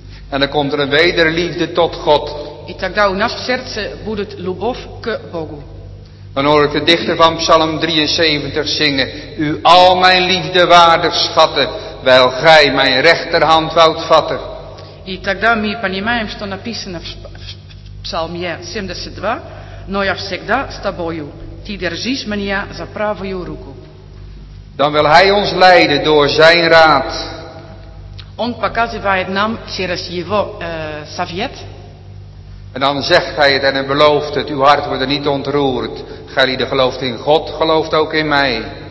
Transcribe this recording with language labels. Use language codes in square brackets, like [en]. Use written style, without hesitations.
[nl] En dan komt er een wederliefde tot God. [ru] И тогда у нас в сердце будет любовь к Богу. [nl] Dan hoor ik de dichter van Psalm 73 zingen. U al mijn liefde waardig schatten, wijl gij mijn rechterhand woudt vatten. [ru] И тогда мы понимаем, что написано в Псалме 72, но я всегда с тобою, ты держишь меня за правую руку. [nl] Dan wil hij ons leiden door zijn raad. [ru] Он показывает нам через его совет. [nl] En dan zegt hij het en hij belooft het, uw hart wordt er niet ontroerd. Gij die gelooft in God, gelooft ook in mij.